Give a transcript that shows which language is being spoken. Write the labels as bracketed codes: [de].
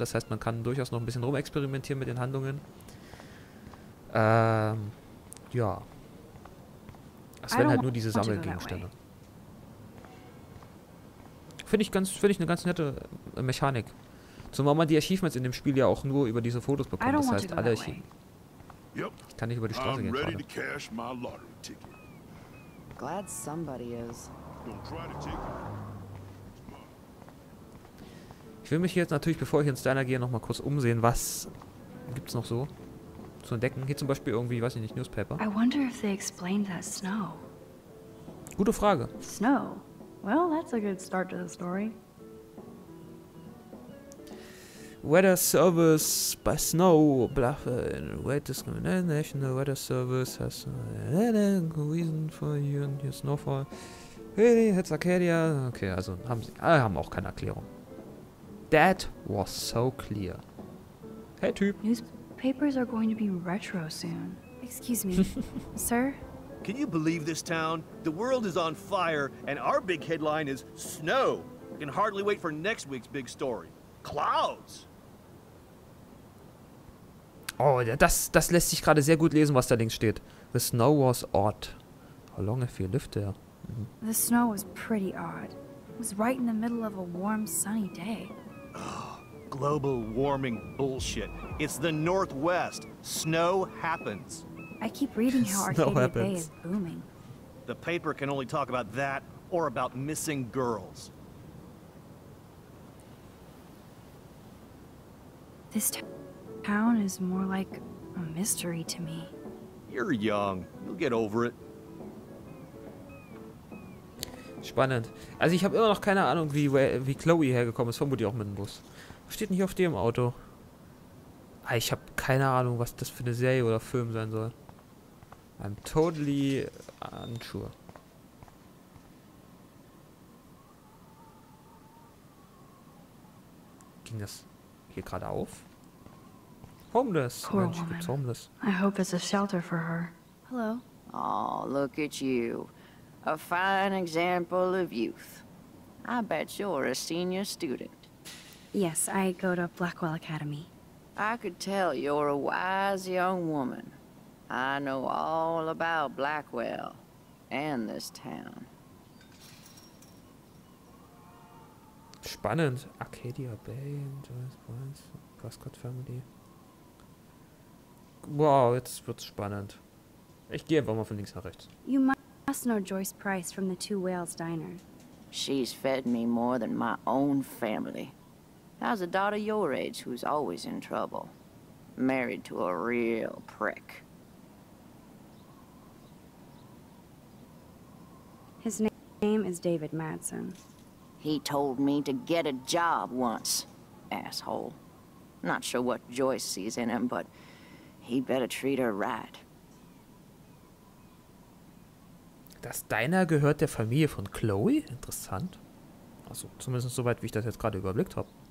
[de] Das heißt, man kann durchaus noch ein bisschen rumexperimentieren mit den Handlungen. Ja. Es werden halt nur diese Sammelgegenstände. Finde ich eine ganz nette Mechanik. Zumal man die Achievements in dem Spiel ja auch nur über diese Fotos bekommt. Das heißt, alle Ich kann nicht über die Straße gehen. [en] Ready to cash my lottery ticket. Glad somebody is. [de] Ich will mich jetzt natürlich, bevor ich ins Diner gehe, nochmal kurz umsehen, was gibt's noch so zu entdecken. Hier zum Beispiel irgendwie, weiß ich nicht, Newspaper. [en] I wonder if they explained that snow. [de] Gute Frage. [en] Snow. Well, that's a good start to the story. Weather Service by Snow, Bluff, Weight Discrimination, National Weather Service has a reason for your snowfall. Really, it's Arcadia. [de] Okay, also haben auch keine Erklärung. [en] That was so clear. [de] Hey, Typ. [en] Newspapers are going to be retro soon. Excuse me, sir? Can you believe this town? The world is on fire, and our big headline is snow. I can hardly wait for next week's big story. Clouds! Oh, das lässt sich gerade sehr gut lesen, was da links steht. The snow was odd. How long have you lived there? The snow was pretty odd. It was right in the middle of a warm, sunny day. Oh, global warming bullshit. It's the Northwest. Snow happens. I keep reading how Arcadia Bay is booming. The paper can only talk about that or about missing girls. This town is more like a mystery to me. You're young. You'll get over it. [de] Spannend. Also ich habe immer noch keine Ahnung, wie Chloe hergekommen ist. Vermutlich auch mit dem Bus. Was steht denn hier auf dem Auto? Ah, ich habe keine Ahnung, was das für eine Serie oder Film sein soll. [en] I'm totally unsure. [de] Ging das hier gerade auf? [en] Homeless. Poor Mensch, woman. Homeless. I hope it's a shelter for her. Hello. Oh, look at you. A fine example of youth. I bet you're a senior student. Yes, I go to Blackwell Academy. I could tell you're a wise young woman. I know all about Blackwell and this town. [de] Spannend. [en] Arcadia Bay, Joyce Points, Prescott Family. [de] Wow, jetzt wird's spannend. Ich gehe einfach mal von links nach rechts. [en] You must know Joyce Price from the Two Whales Diner. She's fed me more than my own family. How's a daughter your age who's always in trouble? married to a real prick. His name is David Madsen. He told me to get a job once, asshole. Not sure what Joyce sees in him, but he better treat her right. [de] Das Diner gehört der Familie von Chloe? Interessant. Also, zumindest soweit, wie ich das jetzt gerade überblickt habe.